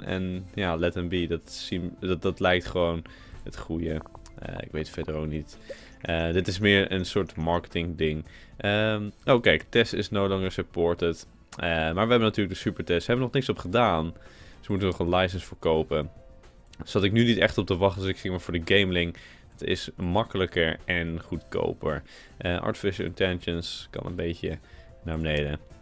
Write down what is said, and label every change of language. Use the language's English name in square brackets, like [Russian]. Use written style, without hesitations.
[Dutch] En ja, [English] let them be, [Dutch] dat lijkt gewoon het goede. Ik weet het verder ook niet. Dit is meer een soort marketing ding. [English] Kijk, Tess is no longer supported. [Dutch] Maar we hebben natuurlijk de super Tess. Ze hebben nog niks op gedaan. Ze moeten nog een license verkopen. Zat ik nu niet echt op te wachten, dus ik ging maar voor de Gameling. Het is makkelijker en goedkoper. Artificial Intelligence kan een beetje naar beneden.